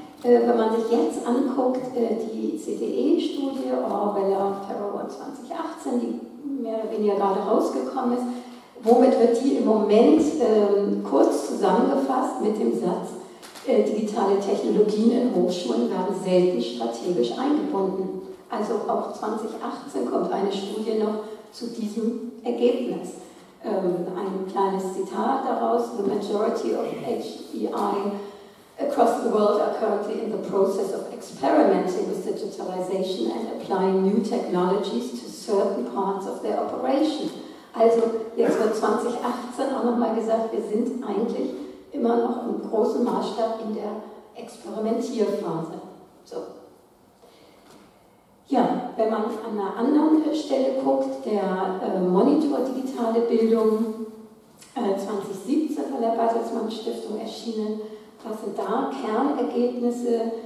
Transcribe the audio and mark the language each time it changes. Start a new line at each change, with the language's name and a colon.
German: Wenn man sich jetzt anguckt, die CDE-Studie, Orwella Ferro 2018, die mehr oder weniger gerade rausgekommen ist, womit wird die im Moment kurz zusammengefasst mit dem Satz, digitale Technologien in Hochschulen werden selten strategisch eingebunden. Also auch 2018 kommt eine Studie noch zu diesem Ergebnis. Ein kleines Zitat daraus:
English: The majority of HEI across the world are currently in the process of experimenting with digitalization and applying new technologies to certain parts of their operation.
German: Also jetzt wird 2018 auch nochmal gesagt, wir sind eigentlich immer noch im großen Maßstab in der Experimentierphase. So. Ja, wenn man an einer anderen Stelle guckt, der Monitor Digitale Bildung 2017 von der Bertelsmann-Stiftung erschienen, was sind da Kernergebnisse?